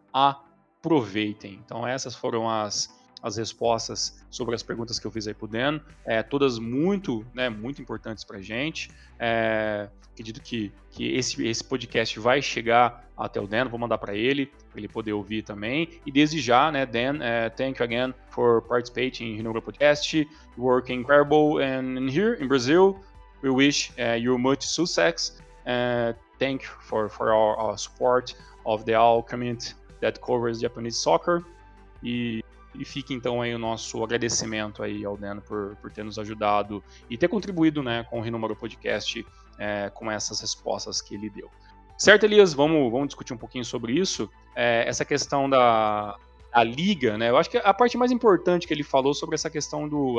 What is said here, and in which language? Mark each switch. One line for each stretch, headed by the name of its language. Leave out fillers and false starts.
Portuguese: Aproveitem. Então, essas foram as respostas sobre as perguntas que eu fiz aí pro Dan, todas muito, né, muito importantes pra gente. Acredito que esse podcast vai chegar até o Dan, vou mandar pra ele poder ouvir também. E desde já, né, Dan,
English: thank you again for participating in Hinogura Podcast, working incredible and here in Brazil. We wish you much success. Thank you for our support of the all community that covers Japanese soccer.
Portuguese: E fica então aí o nosso agradecimento aí ao Dan por ter nos ajudado e ter contribuído, né, com o Hinomaru Podcast, com essas respostas que ele deu. Certo, Elias? Vamos discutir um pouquinho sobre isso. Essa questão da liga, né? Eu acho que a parte mais importante que ele falou sobre essa questão do...